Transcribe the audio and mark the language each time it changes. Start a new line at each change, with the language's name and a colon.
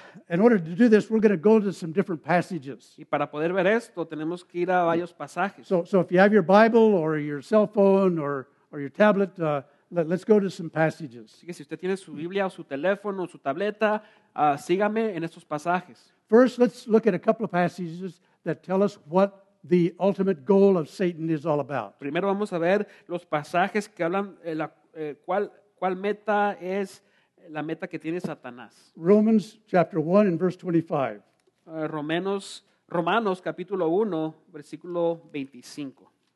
English: In order to do this, we're going to go to some different passages.
Spanish: Y para poder ver esto, tenemos que ir a varios pasajes.
English: So if you have your Bible or your cell phone or your tablet, let's go to some passages.
Spanish: Así que si usted tiene su Biblia o su teléfono o su tableta, sígame en estos pasajes.
English: First, let's look at a couple of passages that tell us what the ultimate goal of Satan is all about.
Spanish: Primero vamos a ver los pasajes que hablan cuál meta es la meta que tiene Satanás.
English: Romans chapter 1 and verse 25.
Spanish: Romanos capítulo 1, versículo 25.